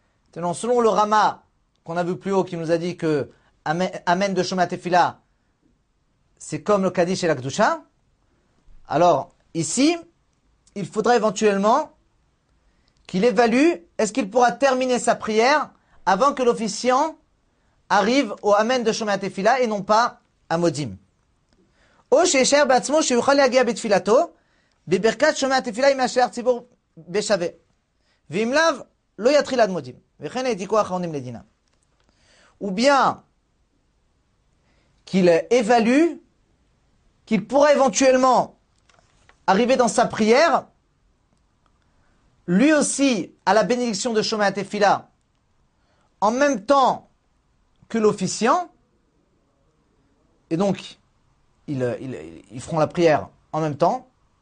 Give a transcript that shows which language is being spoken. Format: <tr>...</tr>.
<fr>Tenant, selon le Rama qu'on a vu plus haut, qui nous a dit que amen de shomea tefila, c'est comme le kaddish et la kedusha. Alors, ici, il faudra éventuellement qu'il évalue, est-ce qu'il pourra terminer sa prière avant que l'officiant arrive au amen de shomea tefila et non pas à modim.</fr> <he>O sheyesher be'atzmo sheyuchal le'agia betfilato. בברכת שומע תפילה עם השאר ציבור בשווה. ואם לאו, לא יתחיל עד מודים. וכן העתיקו האחרונים לדינה.</he> <fr>Ou bien qu'il évalue, qu'il pourra éventuellement arriver dans sa prière, lui aussi à la bénédiction de שומע תפילה, en même temps que l'officiant, et donc ils feront la prière en même temps.</fr>